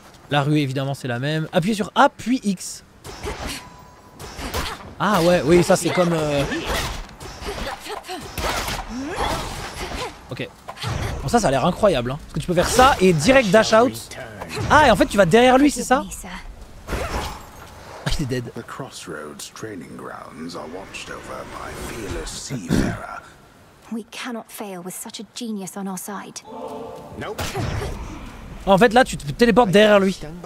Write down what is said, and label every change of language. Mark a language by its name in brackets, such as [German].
[French] La rue, évidemment, c'est la même. Appuyez sur A, puis X. Ah ouais, oui, ça c'est comme... Ok. Bon, ça, ça a l'air incroyable. Hein. Parce que tu peux faire ça et direct dash out. Ah, et en fait, tu vas derrière lui, c'est ça? Ah, il est dead. [English] The crossroads training grounds are watched over by fearless seafarer. We cannot fail with such a genius on our side. Nope. [French] En fait, là, tu te téléportes derrière lui.